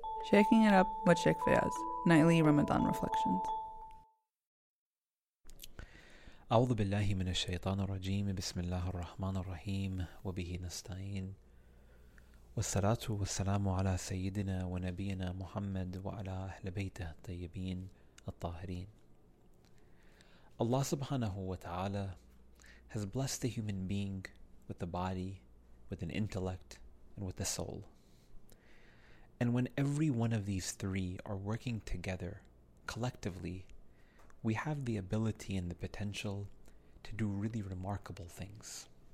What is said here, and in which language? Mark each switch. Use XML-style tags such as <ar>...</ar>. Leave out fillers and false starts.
<en>Shaking it up with Sheikh Fayaz, nightly Ramadan reflections.</en> <ar>أعوذ بالله من الشيطان الرجيم بسم الله الرحمن الرحيم وبه نستعين والصلاة والسلام على سيدنا ونبينا محمد وعلى أهل بيته الطيبين الطاهرين.</ar> <en>Allah subhanahu wa ta'ala has blessed the human being with the body, with an intellect, and with the soul. And when every one of these three are working together, collectively, we have the ability and the potential to do really remarkable things.</en>